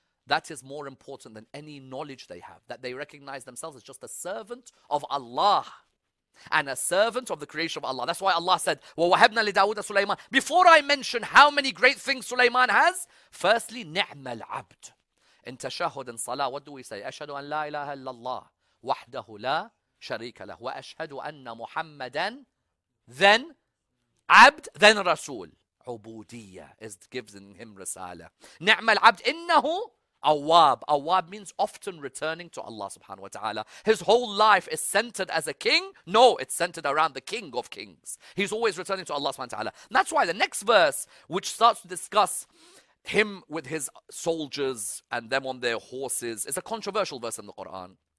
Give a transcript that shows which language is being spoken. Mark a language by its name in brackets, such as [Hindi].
[English] That is more important than any knowledge they have, that they recognize themselves as just a servant of Allah and a servant of the creation of Allah. That's why Allah said, [Arabic] وَوَهَبْنَا لِدَاوُدَ سُلَيْمَانَ. [English] Before I mention how many great things Sulaiman has, firstly, [Arabic] نِعْمَ الْعَبْدُ. [English] In tashahud and salah, what do we say? [Arabic] أَشْهَدُ أَنْ لَا إِلَهَ إِلَّا اللَّهُ وَحْدَهُ لَا شَرِيكَ لَهُ وَأَشْهَدُ أَنَّ مُحَمَّدًا then عَبْد then رَسُول. [English] عُبُودِيَّة is given him رسالة. [Arabic] نِعْمَ الْعَبْدُ إِنَّهُ Awab. [English] Awab means often returning to Allah subhanahu wa ta'ala. His whole life is centered as a king. No, it's centered around the King of Kings. He's always returning to Allah subhanahu wa ta'ala. That's why the next verse, which starts to discuss him with his soldiers and them on their horses, is a controversial verse in the Quran.